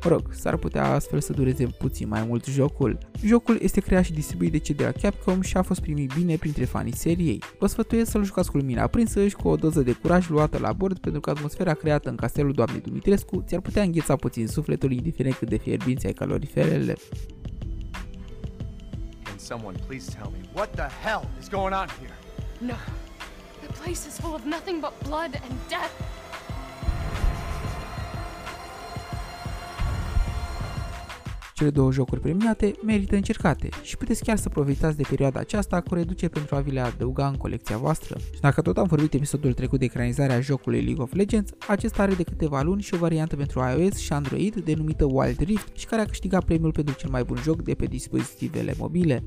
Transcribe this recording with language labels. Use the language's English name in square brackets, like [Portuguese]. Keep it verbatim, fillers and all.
[Romanian] Mă rog, s-ar putea astfel să dureze puțin mai mult jocul. Jocul este creat și distribuit de cei de la Capcom și a fost primit bine printre fanii seriei. Vă sfătuiesc să-l jucați cu lumina aprinsă și cu o doză de curaj luată la bord, pentru că atmosfera creată în castelul doamnei Dumitrescu ți-ar putea îngheța puțin sufletul, indiferent cât de fierbinți ai caloriferele. [English] Someone please tell me what the hell is going on here? No. The place is full of nothing but blood and death. [Romanian] Cele două jocuri premiate merită încercate și puteți chiar să profitați de perioada aceasta cu reduceri pentru a vi le adăuga în colecția voastră. Și dacă tot am vorbit episodul trecut de ecranizarea jocului League of Legends, acesta are de câteva luni și o variantă pentru iOS și Android denumită Wild Rift și care a câștigat premiul pentru cel mai bun joc de pe dispozitivele mobile.